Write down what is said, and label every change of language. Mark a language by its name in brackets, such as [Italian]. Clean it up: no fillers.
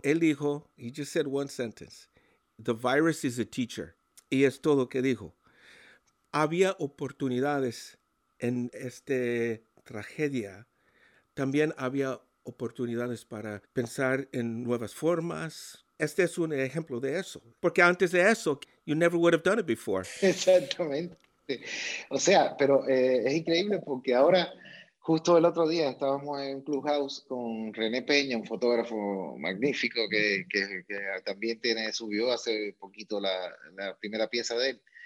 [Spanish] Él dijo, [English] he just said one sentence, the virus is a teacher. [Spanish] Y es todo lo que dijo. Había oportunidades. En esta tragedia también había oportunidades para pensar en nuevas formas. Este es un ejemplo de eso. Porque antes de eso, [English] you never would have done it before. [Spanish] Exactamente. O sea, pero es increíble porque ahora Justo el otro día estábamos en Clubhouse con René Peña, un fotógrafo magnífico que también tiene, subió hace poquito la primera pieza de él.